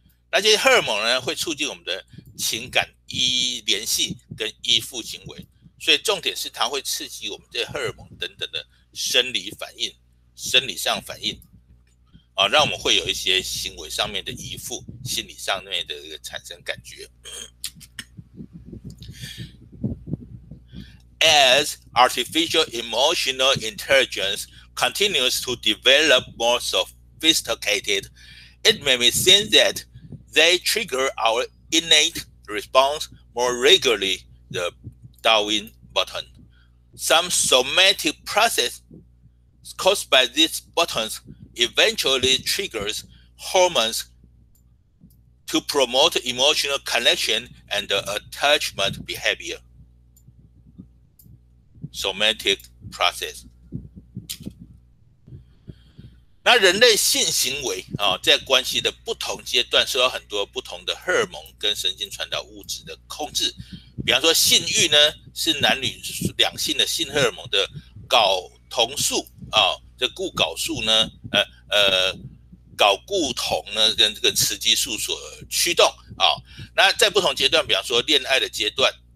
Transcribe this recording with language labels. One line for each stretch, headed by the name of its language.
Chinese: 那些荷尔蒙呢，会促进我们的情感依联系跟依附行为，所以重点是它会刺激我们的荷尔蒙等等的生理反应，生理上反应啊，让我们会有一些行为上面的依附，心理上面的一个产生感觉。
English: As artificial emotional intelligence continues to develop more sophisticated, it may be seen that they trigger our innate response more regularly. The Darwin button. Some somatic processes caused by these buttons eventually triggers hormones to promote emotional connection and attachment behavior. Somatic process，
Chinese: 那人类性行为、哦、在关系的不同阶段受到很多不同的荷尔蒙跟神经传导物质的控制，比方说性欲呢是男女两性的性荷尔蒙的睾酮素啊、哦，这固睾素呢，睾固酮呢跟这个雌激素所驱动啊、哦，那在不同阶段，比方说恋爱的阶段。